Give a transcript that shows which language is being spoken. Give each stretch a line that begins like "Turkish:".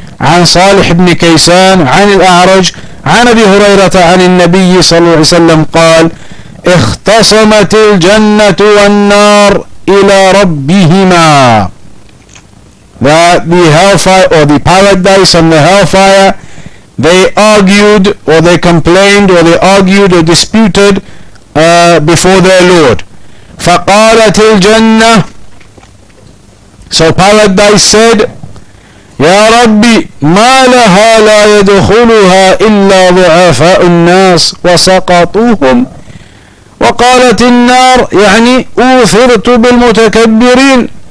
Arabic: عن صالح بن كيسان عن الأعرج عن أبي هريرة عن النبي صلى الله عليه وسلم قال اختصمت الجنة والنار إلى ربهما.
English: That the hellfire or the paradise and the hellfire, they argued or they complained or they argued or disputed before their Lord.
Arabic: فقالت الجنة, so paradise said, يا ربي ما لها لا يدخلها إلا ضعفاء الناس وسقطوهم. وقالت النار يعني أوثرت بالمتكبرين.